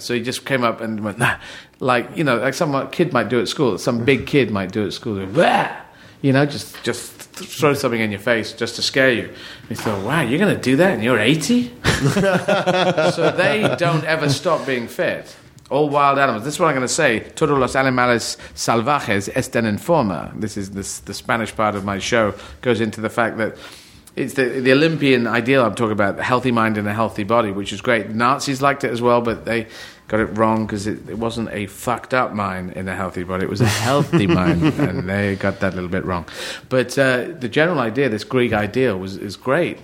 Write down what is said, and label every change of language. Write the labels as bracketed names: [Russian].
[English] So he just came up and went, nah. Like, you know, like some kid might do at school. Some big kid might do at school. Blah. You know, just throw something in your face just to scare you. And he thought, wow, you're going to do that and you're 80? So they don't ever stop being fed. All wild animals. This is what I'm going to say. [Spanish] Todos los animales salvajes están en forma. [English] This is the Spanish part of my show. Goes into the fact that it's the Olympian ideal I'm talking about, the healthy mind and a healthy body, which is great. Nazis liked it as well, but they got it wrong because it wasn't a fucked up mind in a healthy body. It was a healthy mind, and they got that a little bit wrong. But the general idea, this Greek ideal, is great.